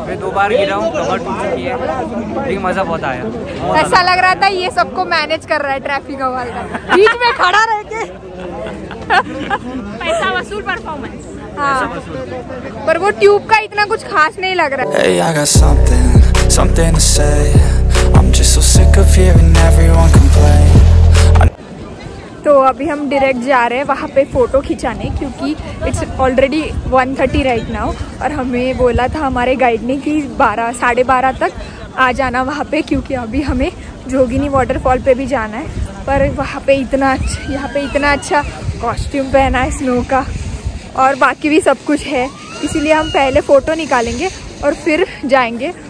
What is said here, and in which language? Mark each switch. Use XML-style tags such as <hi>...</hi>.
<hi>फिर दो बार गिरा हूँ, कवर टूट चुकी है, लेकिन मजा बहुत आया। ऐसा लग रहा था ये सबको मैनेज कर रहा है ट्रैफिक हवाल का, बीच में खड़ा रह के पैसा वसूल परफॉर्मेंस। हाँ, पर वो ट्यूब का इतना कुछ खास नहीं लग रहा।</hi> <en>Hey, I got something to say. I'm just so sick of hearing everyone complain.</en> <hi>तो अभी हम डायरेक्ट जा रहे हैं वहाँ पे फोटो खिंचाने, क्योंकि</hi> <en>it's already 1:30 right now,</en> <hi>और हमें बोला था हमारे गाइड ने कि 12:30 तक आ जाना वहाँ पे, क्योंकि अभी हमें जोगिनी वाटरफॉल पे भी जाना है। पर वहाँ पे इतना अच्छा, यहाँ पे इतना अच्छा कॉस्ट्यूम पहना है स्नो का, और बाकी भी सब कुछ है, इसीलिए हम पहले फ़ोटो निकालेंगे और फिर जाएंगे।</hi>